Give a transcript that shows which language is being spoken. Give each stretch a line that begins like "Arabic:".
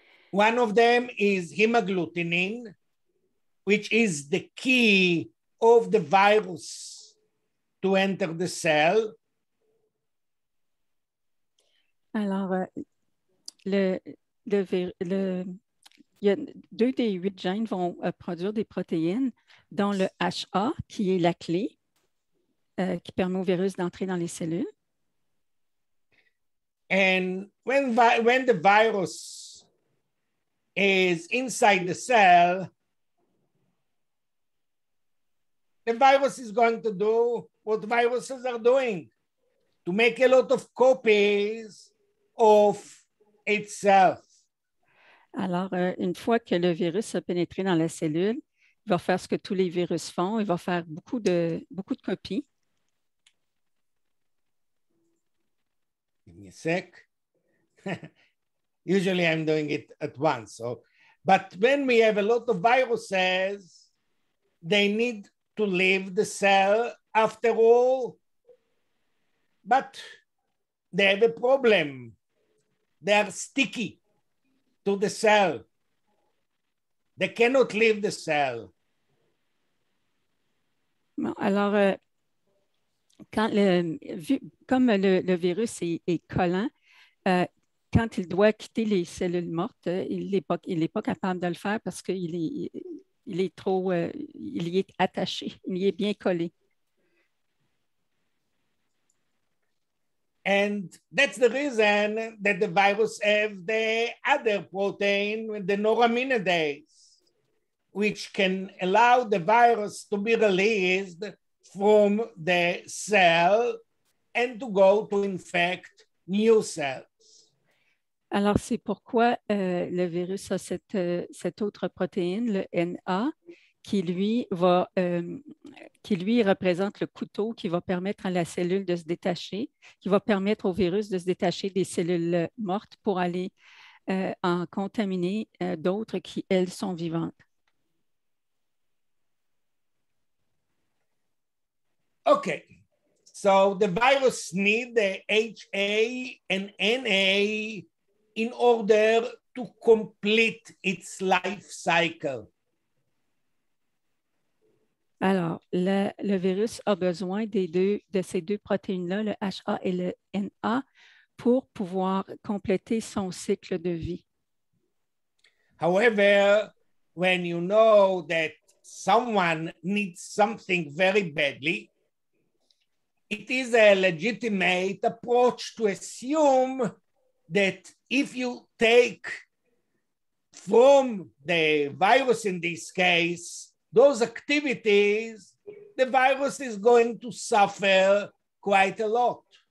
English: One of them is hemagglutinin, which is the key of the virus to enter the cell.
French: Alors, il y a 2 des 8 gènes vont produire des protéines, dont le HA, qui est la clé, qui permet au virus d'entrer dans les cellules.
English: And when the virus is inside the cell, the virus is going to do what viruses are doing, to make a lot of copies of itself.
French: Alors, une fois que le virus a pénétré dans la cellule, il va faire ce que tous les virus font, il va faire beaucoup de copies.
English: Give me a sec. Usually I'm doing it at once. So, but when we have a lot of viruses, they need to leave the cell after all. But they have a problem. They are sticky to the cell. They cannot leave the cell.
French: Bon, alors, comme le virus est collant, quand il doit quitter les cellules mortes, il n'est pas capable de le faire parce qu'il y est attaché, il y est bien collé.
English: And that's the reason that the virus have the other protein, the neuraminidase, which can allow the virus to be released from the cell and to go to infect new cells.
French: Alors, c'est pourquoi le virus a cette autre protéine, le NA, qui lui représente le couteau qui va permettre à la cellule de se détacher, qui va permettre au virus de se détacher des cellules mortes pour aller en contaminer d'autres qui, elles, sont vivantes.
English: OK. So the virus need the HA and NA in order to complete its life cycle.
French: Alors, le virus a besoin de ces deux protéines-là, le HA et le NA, pour pouvoir compléter son cycle de vie.
English: However, when you know that someone needs something very badly, it is a legitimate approach to assume that if you take from the virus in this case, those activities, the virus is going to suffer quite a lot.